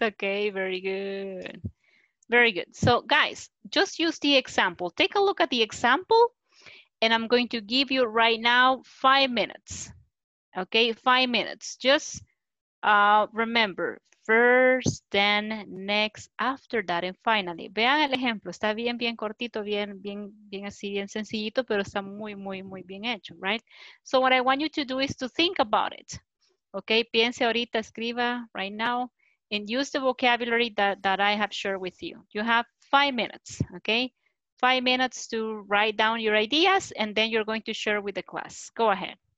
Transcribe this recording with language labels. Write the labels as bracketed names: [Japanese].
[English] Okay, very good. Very good. So guys, just use the example. Take a look at the example and I'm going to give you right now 5 minutes. Okay, 5 minutes. Just remember, first, then, next, after that, and finally. [Spanish] Vean el ejemplo. Está bien, bien cortito, bien, bien, bien así, bien sencillito, pero está muy, muy, muy bien hecho, right? [English] So what I want you to do is to think about it. Okay, [Spanish] piense ahorita, escriba [English] right now, and use the vocabulary that I have shared with you. You have 5 minutes, okay? 5 minutes to write down your ideas, and then you're going to share with the class. Go ahead.